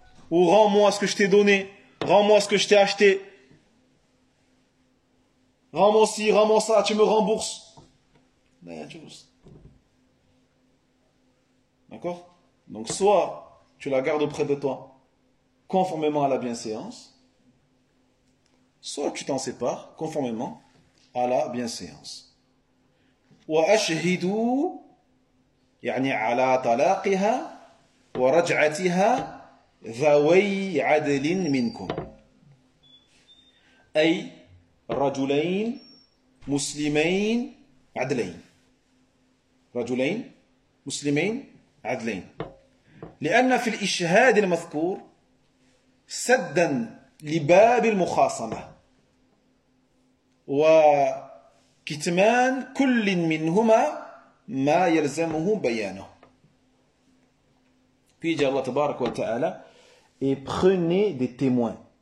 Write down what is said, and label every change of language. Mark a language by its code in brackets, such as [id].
[fr] Ou rends-moi ce que je t'ai donné, rends-moi ce que je t'ai acheté, rends-moi ci, rends-moi ça, tu me rembourses. D'accord ? Donc soit tu la gardes auprès de toi, conformément à la bienséance, soit tu t'en sépares, conformément à la bienséance. [ar] Wa ashhidu yani ala talaqiha ورجعتها ذوي عدل منكم أي رجلين مسلمين عدلين رجلين مسلمين عدلين لأن في الإشهاد المذكور سدا لباب المخاصمة وكتمان كل منهما ما يلزمه بيانه في جاء الله تبارك وتعالى [fr] et prenez des témoins